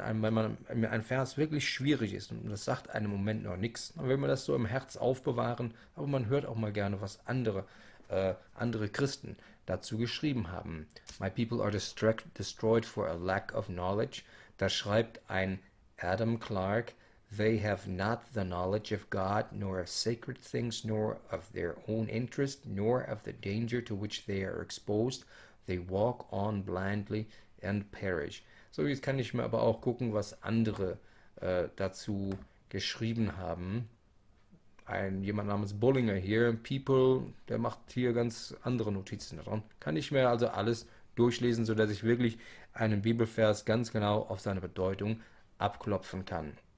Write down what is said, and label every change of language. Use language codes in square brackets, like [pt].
[de] Wenn ein Vers wirklich schwierig ist und das sagt einem im Moment noch nichts, dann will man das so im Herz aufbewahren, aber man hört auch mal gerne, was andere Christen dazu geschrieben haben. [en] My people are destroyed for a lack of knowledge. [de] Da schreibt ein [en] Adam Clark, they have not the knowledge of God, nor of sacred things, nor of their own interest, nor of the danger to which they are exposed. They walk on blindly and perish. [de] So, jetzt kann ich mir aber auch gucken, was andere dazu geschrieben haben. Jemand namens Bullinger hier, People, der macht hier ganz andere Notizen daran. Kann ich mir also alles durchlesen, sodass ich wirklich einen Bibelvers ganz genau auf seine Bedeutung abklopfen kann.